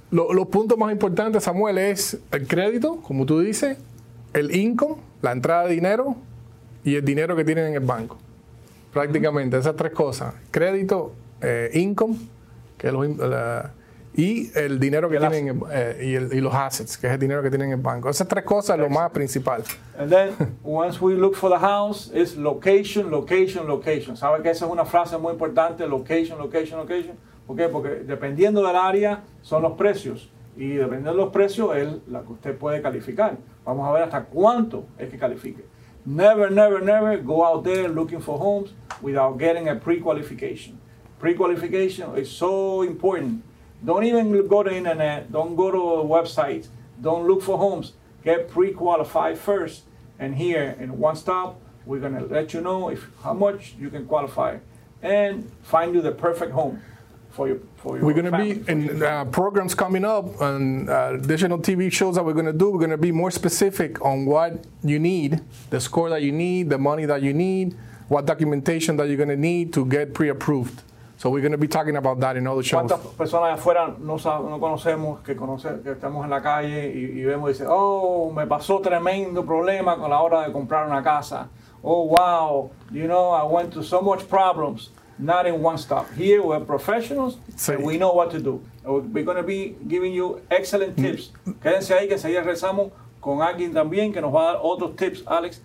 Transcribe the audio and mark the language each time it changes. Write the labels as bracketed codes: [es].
[es] Los puntos más importantes, Samuel, es el crédito, como tú dices, el income, la entrada de dinero y el dinero que tienen en el banco. Prácticamente, esas tres cosas. Crédito, income, que es y el dinero que tienen y los assets, que es el dinero que tienen en el banco. Esas tres cosas es lo más principal. [en] And then, once we look for the house, it's location, location, location. [es] ¿Sabe que esa es una frase muy importante? [en] Location, location, location. [es] ¿Por qué? Porque dependiendo del área, son los precios. Y dependiendo de los precios, es la que usted puede calificar. Vamos a ver hasta cuánto es que califique. [en] Never, never, never go out there looking for homes without getting a pre-qualification. Pre-qualification is so important. Don't even go to the internet. Don't go to a website. Don't look for homes. Get pre-qualified first. And here in One Stop, we're going to let you know how much you can qualify and find you the perfect home for your family. We're going to be in programs coming up and additional TV shows that we're going to do. We're going to be more specific on what you need, the score that you need, the money that you need, what documentation that you're going to need to get pre-approved. So we're going to be talking about that in other shows. [es] ¿Cuántas personas afuera no conocemos, que estamos en la calle y vemos y dicen, oh, me pasó tremendo problema con la hora de comprar una casa. [en] Oh, wow, you know, I went through so much problems, not in one stop. Here we're professionals, sí, and we know what to do. We're going to be giving you excellent tips. [es] Quédense ahí que enseguida rezamos con alguien también que nos va a dar otros tips, Alex,